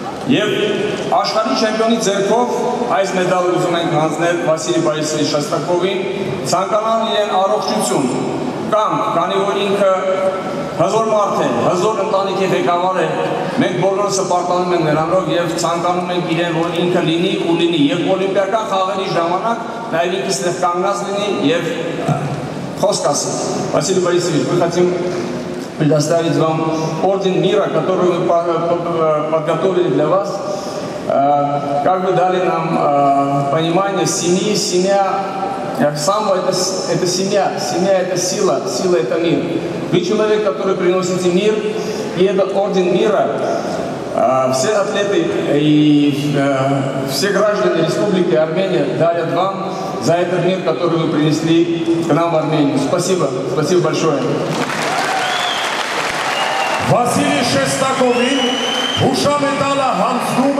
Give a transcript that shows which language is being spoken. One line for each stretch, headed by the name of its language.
Armenian: Եվ աշխարհի չեմպիոնի ձեռքով այս մեդալը ուզում ենք հանձնել Վասիլի Վարիսին Շեստակովին, ցանկանալու իրեն առողջություն, կամ քանի որ ինքը հզոր մարդ է, հզոր ընտանիքի ղեկավար է, մենք բոլորսը պարտանում ենք նրանով և ցանկանում ենք իրեն, որ ինքը լինի ու լինի և օլիմպիական խաղերի ժամանակ նաև ինքը ստեղ կանգնած լինի և խոսք ասի։ Վասիլի Վարիսին, մենք հաճույք
Russian: предоставить вам орден мира, который мы подготовили для вас, как бы дали нам понимание семьи, семья. Самбо это семья, семья это сила это мир. Вы человек, который приносите мир, и это орден мира. Все атлеты и все граждане Республики Армения дарят вам за этот мир, который вы принесли к нам в Армению. Спасибо, спасибо большое.
Armenian: Վասիլի Շեստակովին հուշամետալը հանձնում է սամբոյի աշխարհի կրկնակի չեմպիոն